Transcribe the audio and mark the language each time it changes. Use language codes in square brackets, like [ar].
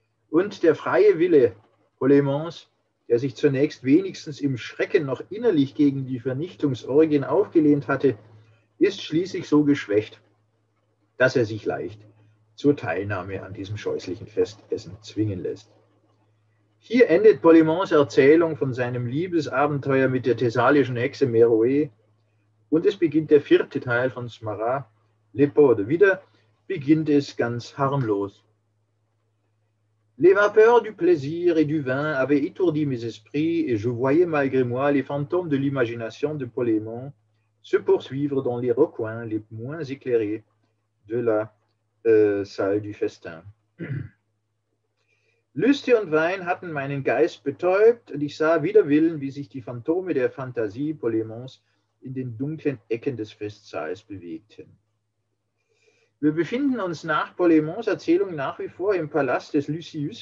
[de] Und der freie Wille Polemons, der sich zunächst wenigstens im Schrecken noch innerlich gegen die Vernichtungsorgien aufgelehnt hatte, ist schließlich so geschwächt, dass er sich leicht zur Teilnahme an diesem scheußlichen Festessen zwingen lässt. Hier endet Polemons Erzählung von seinem Liebesabenteuer mit der thessalischen Hexe Meroe und es beginnt der vierte Teil von Smara, Lepode. Wieder beginnt es ganz harmlos. [fr] Les vapeurs du plaisir et du vin avaient étourdi mes esprits et je voyais malgré moi les fantômes de l'imagination de Polémon se poursuivre dans les recoins les moins éclairés de la salle du festin. [de] Lüste und Wein hatten meinen Geist betäubt und ich sah wider Willen, wie sich die Phantome der Fantasie Polémons in den dunklen Ecken des Festsaals bewegten. Wir befinden uns nach Polemons Erzählung nach wie vor im Palast des Lucius.